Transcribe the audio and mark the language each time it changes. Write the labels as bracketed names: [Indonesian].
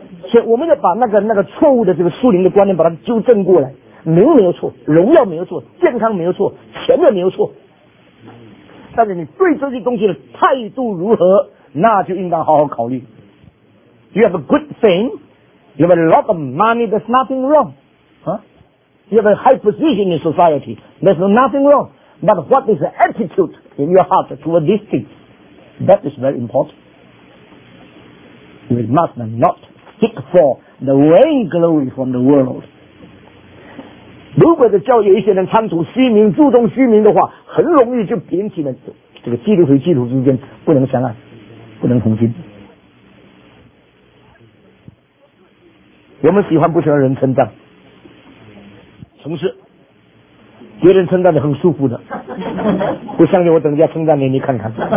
[Chinese] 所以我们要把那个错误的这个属灵的观念把它纠正过来，名没有错，荣耀没有错，健康没有错，钱也没有错，但是你对这些东西的态度如何，那就应当好好考虑。 [English] You have a good thing, you have a lot of money, there's nothing wrong. You have a high position in society. There's nothing wrong. But what is the attitude in your heart toward these things? That is very important. We must not seek for the vain glory from the world. [Chinese] 如果的教有一些人贪图虚名，注重虚名的话，很容易就引起了这个基督和基督之间不能相爱，不能同心。我们喜欢不喜欢人称赞？同事别人称赞你很舒服的，不相信我等一下称赞你，你看看。